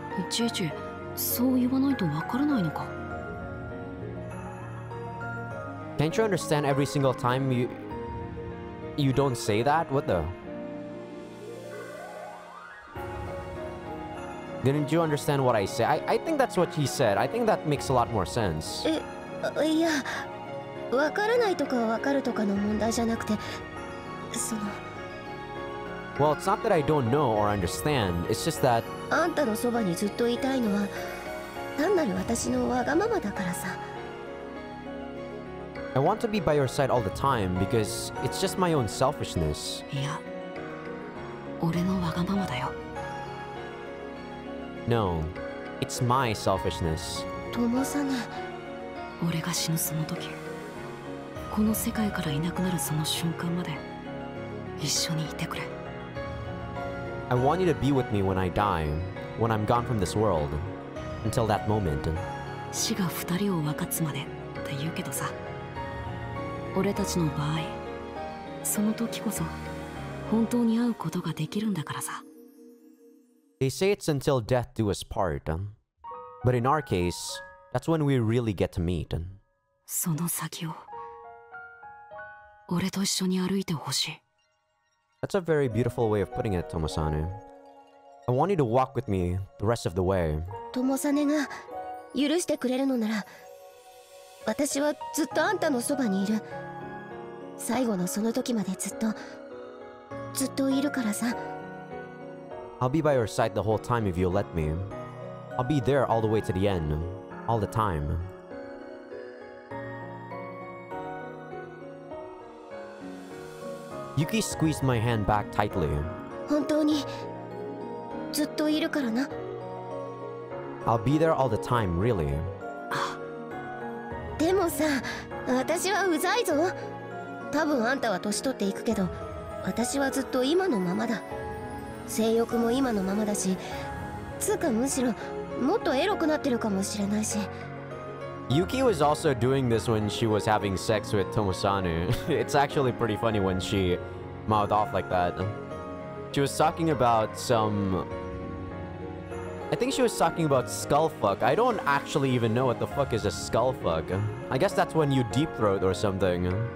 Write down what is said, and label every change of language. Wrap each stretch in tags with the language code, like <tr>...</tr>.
<en>Chichi, so you won't know what you're doing. Can't you understand every single time you don't say that? What the? Didn't you understand what I say? I think that's what he said. I think that makes a lot more sense. Yeah.</en> <ja>わからないとかわかるとかの問題じゃなくて、その…</ja> <en>Well, it's not that I don't know or understand. It's just that…</en> <ja>あんたのそばにずっといたいのは、単なる私のわがままだからさ。</ja> <en>I want to be by your side all the time because it's just my own selfishness.</en> <ja>いや、俺のわがままだよ。</ja> <en>No, it's my selfishness.</en> <ja>ともさね、俺が死ぬその時。この世界からいなくなるその瞬間まで一緒にいてくれ。</ja> <en>I want you to be with me when I die, when I'm gone from this world, until that moment.</en> <ja>死が二人を分かつまでって言うけどさ、俺たちの場合、その時こそ本当に会うことができるんだからさ。</ja> <en>They say it's until death do us part, but in our case, that's when we really get to meet.</en> <ja>その先を。俺と一緒に歩いてほしい。</ja> <en>That's a very beautiful way of putting it, Tomosane. I want you to walk with me the rest of the way.</en> <ja>Tomosane が許してくれるのなら、私はずっとあんたのそばにいる。最後のその時までずっといるからさ。</ja> <en>I'll be by your side the whole time if you'll let me. I'll be there all the way to the end, all the time. Yuki squeezed my hand back tightly.</en> <ja>本当にずっといるからな。</ja> <en>I'll be there all the time, really.</en> <ja>でもさ、私はうざいぞ。多分あんたは年取っていくけど、私はずっと今のままだ。性欲も今のままだし、つうかむしろもっとエロくなってるかもしれないし。</ja> <en>Yuki was also doing this when she was having sex with Tomosane. It's actually pretty funny when she mouthed off like that. She was talking about some... I think she was talking about skullfuck. I don't actually even know what the fuck is a skullfuck. I guess that's when you deep throat or something.</en>